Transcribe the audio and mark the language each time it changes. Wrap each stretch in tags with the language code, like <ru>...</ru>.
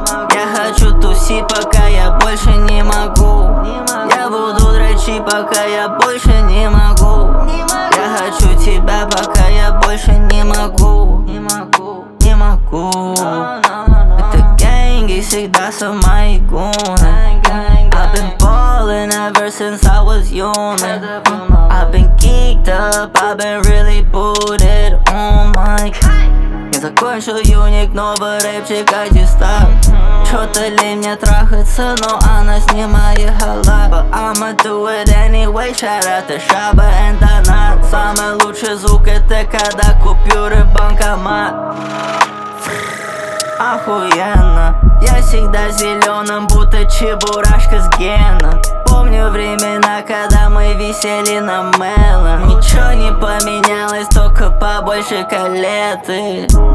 <ru>Я хочу тусить, пока я больше не могу. Я буду дрочить, пока я больше не могу. Я хочу тебя, пока я больше не могу. Не могу. Это ганги всегда со мной гуна.</ru> <en>I've been ballin' ever since I was young. I've been geeked up, I've been really booted. Oh my god.</en> <ru>Я закончил юник, новый рэпчик, аттестат. Чё-то лень мне трахаться, но она снимает халат.</ru> <en>But I'ma do it anyway, shout out to Shaba and Donat.</en> <ru>Самый лучший звук это когда купюры в банкомат. Охуенно. Я всегда зеленым, будто чебурашка с геном. Помню времена, когда мы висели на мелон. Ничего не поменялось, только побольше калеты.</ru>